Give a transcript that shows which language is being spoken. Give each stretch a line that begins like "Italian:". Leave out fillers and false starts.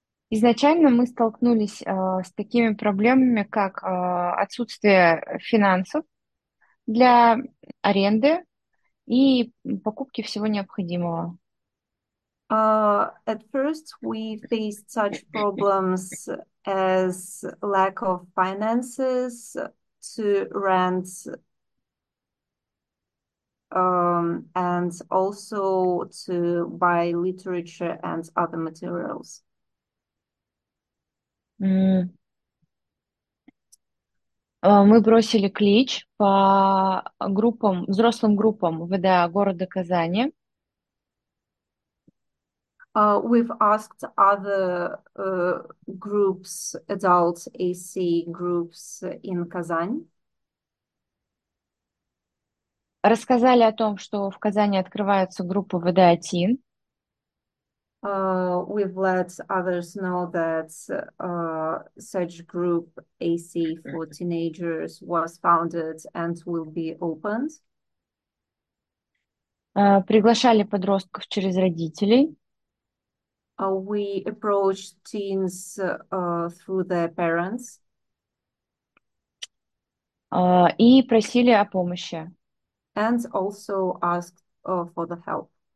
Russian: Изначально мы столкнулись с такими проблемами, как отсутствие финансов для аренды и покупки всего необходимого.
English: At first, we faced such problems as lack of finances to rent, and also to buy literature and other materials. Mm.
Russian: Мы бросили клич по группам, взрослым группам ВДА города Казани.
English: We've asked other groups, adult AC groups in Kazan.
Russian: Рассказали о том, что в Казани открывается группа ВДА ТИН.
English: We've let others know that such group AC for teenagers was founded and will be opened.
Russian: Приглашали подростков через родителей.
English: We approached teens through their parents.
Russian: И просили о помощи.
English: And also asked for the help.